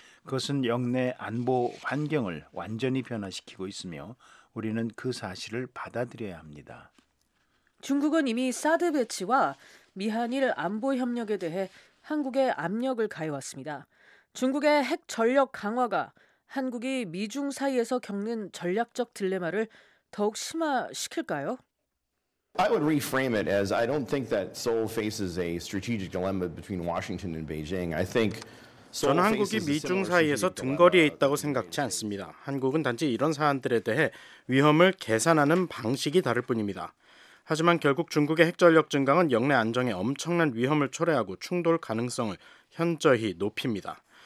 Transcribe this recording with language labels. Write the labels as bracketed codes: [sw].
[ko] 그것은 영내 안보 환경을 완전히 변화시키고 있으며 우리는 그 사실을 받아들여야 합니다. 중국은 이미 사드 배치와 미한일 안보 협력에 대해 한국에 압력을 가해왔습니다. 중국의 핵 전력 강화가 한국이 미중 사이에서 겪는 전략적 딜레마를 더욱 심화시킬까요? [en] I would reframe it as I don't think that Seoul faces a strategic dilemma between Washington and Beijing. I think [ko] 저는 한국이 미중 사이에서 등거리에 있다고 생각지 않습니다. 한국은 단지 이런 사안들에 대해 위험을 계산하는 방식이 다를 뿐입니다. 하지만 결국 중국의 핵전력 증강은 영내 안정에 엄청난 위험을 초래하고 충돌 가능성을 현저히 높입니다.